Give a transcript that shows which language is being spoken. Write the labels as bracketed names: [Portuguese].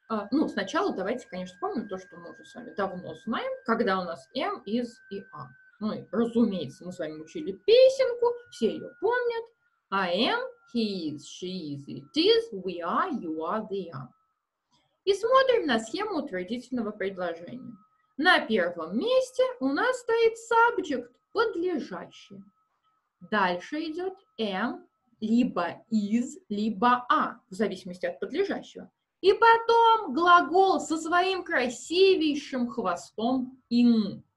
[Russian] Ну, сначала давайте, конечно, вспомним то, что мы уже с вами давно знаем, когда у нас am, is и are. Ну, и, разумеется, мы с вами учили песенку, все ее помнят. [English] I am, he is, she is, it is, we are, you are, they are. [Russian] И смотрим на схему утвердительного предложения. На первом месте у нас стоит subject, подлежащий. Дальше идет am, либо is, либо are, в зависимости от подлежащего. И потом глагол со своим красивейшим хвостом in.